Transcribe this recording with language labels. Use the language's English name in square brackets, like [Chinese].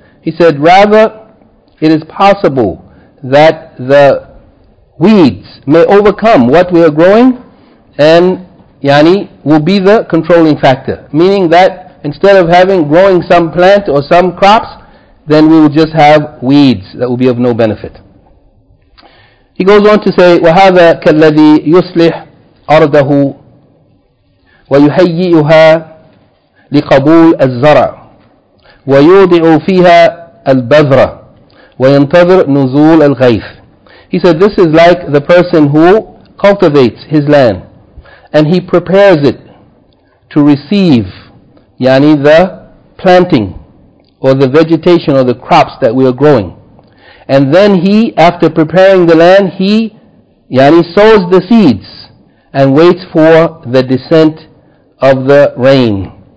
[English] He said, rather, it is possible that the weeds may overcome what we are growing, and yani, will be the controlling factor. Meaning that instead of having growing some plant or some crops, then we will just have weeds that will be of no benefit. He goes on to say, [Arabic] وَهَذَا كَالَّذِي يُصْلِحْ أَرْضَهُ وَيُهَيِّئُهَا لِقَبُولِ الزَّرَعِ وَيُوضِعُ فِيهَا الْبَذْرَ وَيَنْتَظِرْ نُزُولَ الْغَيْثِ. [English] He said, this is like the person who cultivates his land and he prepares it to receive, yani the planting or the vegetation or the crops that we are growing. And then he, after preparing the land, he, yani, sows the seeds and waits for the descent of the rain.